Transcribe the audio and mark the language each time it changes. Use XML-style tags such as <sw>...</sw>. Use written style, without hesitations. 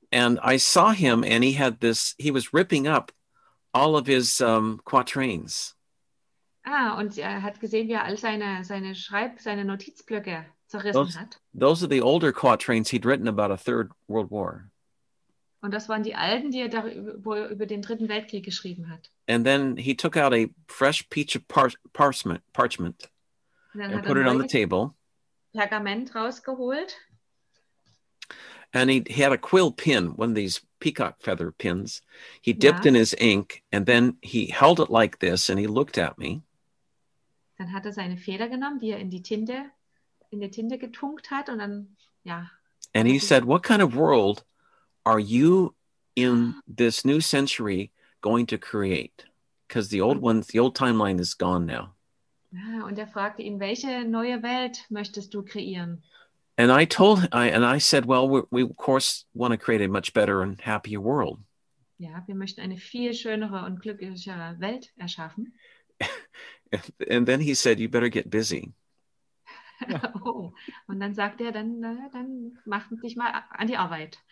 <en>And I saw him and he had this, he was ripping up all of his quatrains.</en> <de>Ah, und er hat gesehen, wie er all seine Notizblöcke zerrissen hat.</de> <en>Those are the older quatrains he'd written about a third world war.</en> <de>Und das waren die alten, die er über den Dritten Weltkrieg geschrieben hat.</de> <en>And then he took out a fresh piece of parchment and put it on the table.</en> <de>Pergament rausgeholt.</de> <en>And he had a quill pin, one of these peacock feather pins. He dipped in his ink and then he held it like this and he looked at me.</en> <de>Dann hat er seine Feder genommen, die er in die Tinte getunkt hat und dann, ja.</de> <en>And he said, what kind of world are you in this new century going to create? Because the old timeline is gone now.</en> <de>Und er fragte ihn, welche neue Welt möchtest du kreieren?</de> <en>And I told him, and I said, well, we of course want to create a much better and happier world.</en> <de>Ja, wir möchten eine viel schönere und glücklichere Welt erschaffen.</de> <en>And then he said, you better get busy.</en> <de>Oh, und dann sagte er, dann mach dich mal an die Arbeit.</de>